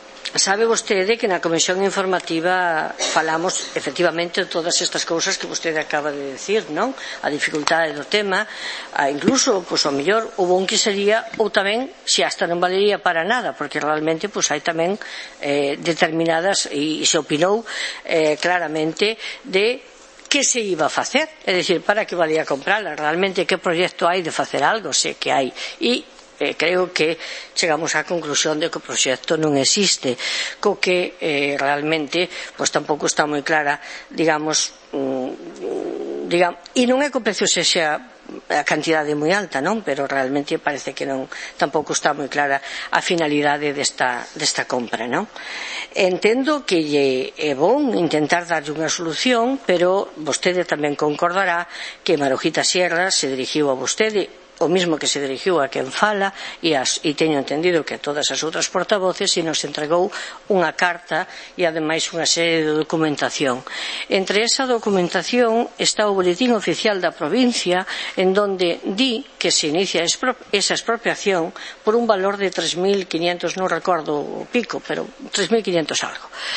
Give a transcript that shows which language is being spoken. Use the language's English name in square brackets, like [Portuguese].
[Galician] Sabe vostede que na comisión informativa falamos efectivamente de todas estas cousas que vostede acaba de decir, non? A dificultade do tema, incluso, pois, ao mellor, o bon que sería, ou tamén, se hasta non valería para nada, porque realmente, pois, hai tamén determinadas, e se opinou claramente, de [Spanish] qué se iba a hacer, es decir, para qué valía comprarla, realmente qué proyecto hay de hacer algo, sé que hay, y creo que llegamos a la conclusión de que el proyecto no existe, con que realmente pues tampoco está muy clara, digamos, y no es que el precio sea [Galician] a cantidade moi alta, non? Pero realmente parece que non, tampouco está moi clara a finalidade desta compra, non? Entendo que lle é bon intentar darlle unha solución, pero vostede tamén concordará que Marujita Sierra se dirigiu a vostede, o mismo que se dirigiu a quen fala, e teño entendido que a todas as outras portavoces, e nos entregou unha carta e ademais unha serie de documentación. Entre esa documentación está o boletín oficial da provincia, en donde di que se inicia esa expropiación por un valor de 3.500, non recordo o pico, pero 3.500 algo.